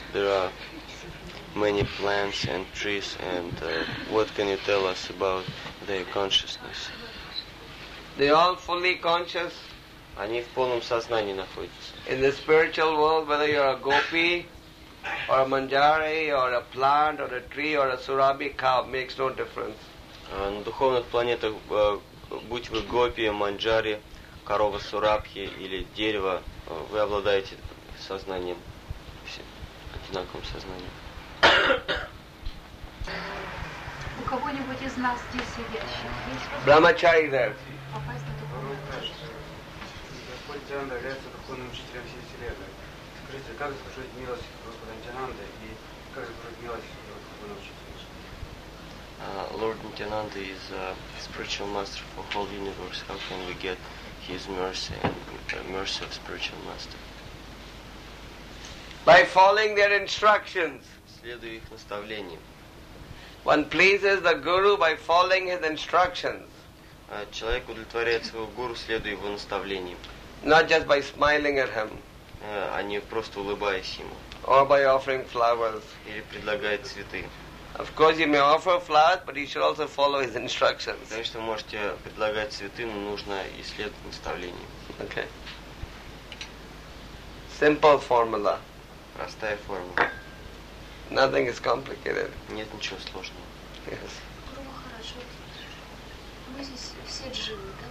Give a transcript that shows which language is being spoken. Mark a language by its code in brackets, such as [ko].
[en] На many plants and trees, and what can you tell us about their consciousness? They are all fully conscious. [ru] Они в полном сознании находятся. [en] In the spiritual world, whether you're a gopi, or a manjari, or a plant, or a tree, or a surabi cow, makes no difference. [ru] На духовных планетах, будь вы гопи, манджари, корова сурабхи или дерево, вы обладаете сознанием, одинаковым сознанием. У кого-нибудь из нас здесь сидящих? Брахмачари there. Господь Нитянанда является духовным учителем всей вселенной. Скажите, как заслужить милость Господа Нитянанды и как заслужить милость духовного учителя? [en] Lord Nityananda is a spiritual master for the whole universe. How can we get his mercy and mercy of spiritual master? By following their instructions. [ru] Следуя их наставлениям. [en] One pleases the guru by following his instructions. [ru] Человек удовлетворяет своего гуру, следуя его наставлениям. [en] Not just by smiling at him. [ru] А не просто улыбаясь ему. [en] Or by offering flowers. [ru] Или предлагая цветы. [en] Of course, you may offer flowers, but you should also follow his instructions. [ru] Конечно, вы можете предлагать цветы, но нужно и следовать наставлениям. [en] Okay. Simple formula. [ru] Простая формула. [en] Nothing is complicated. [ru] Нет ничего сложного. [en] Yes. [ru] Гуру Махарадж, мы здесь все дживы, да?